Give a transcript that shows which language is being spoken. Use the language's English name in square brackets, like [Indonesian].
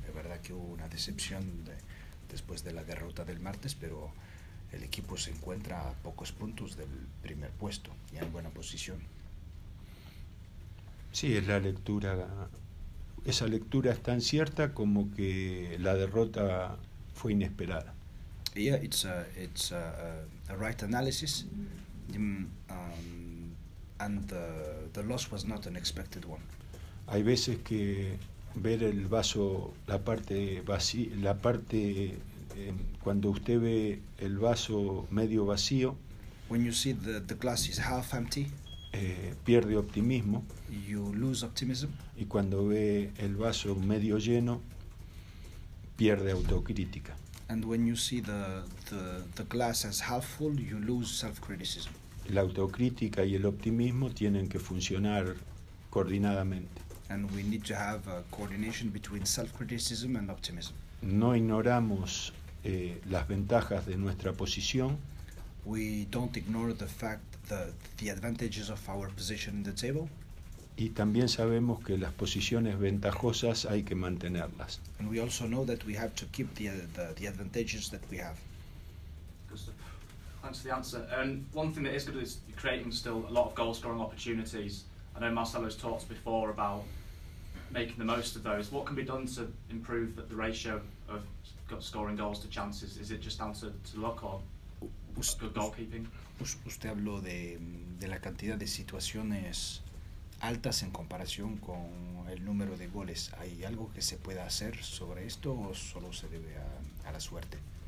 [Spanish] Es verdad que hubo una decepción después de la derrota del martes, pero el equipo se encuentra a pocos puntos del primer puesto y en buena posición. Sí, es la lectura. Esa lectura es tan cierta como que la derrota fue inesperada. [English] Yeah, it's a right analysis, and the loss was not an expected one. [Spanish] Hay veces que ver el vaso, la parte vacía, la parte cuando usted ve el vaso medio vacío, [English] when you see the glass is half empty, [Spanish] pierde optimismo. [English] You lose optimism. [Spanish] Y cuando ve el vaso medio lleno, pierde autocrítica. [English] And when you see the glass as half full, you lose self-criticism. [Spanish] La autocrítica y el optimismo tienen que funcionar coordinadamente. [English] And we need to have a coordination between self-criticism and optimism. [Spanish] No ignoramos las ventajas de nuestra posición. [English] We don't ignore the fact that the advantages of our position in the table. [Spanish] Y también sabemos que las posiciones ventajosas hay que mantenerlas. [English] And we also know that we have to keep the advantages that we have. Thanks for the answer. One thing that is good is creating still a lot of goal-scoring opportunities. I know Marcelo's talked before about making the most of those. What can be done to improve the ratio of scoring goals to chances? Is it just down to luck or good goalkeeping? [Spanish] Usted habló de la cantidad de situaciones altas en comparación con el número de goles. ¿Hay algo que se pueda hacer sobre esto o solo se debe a la suerte?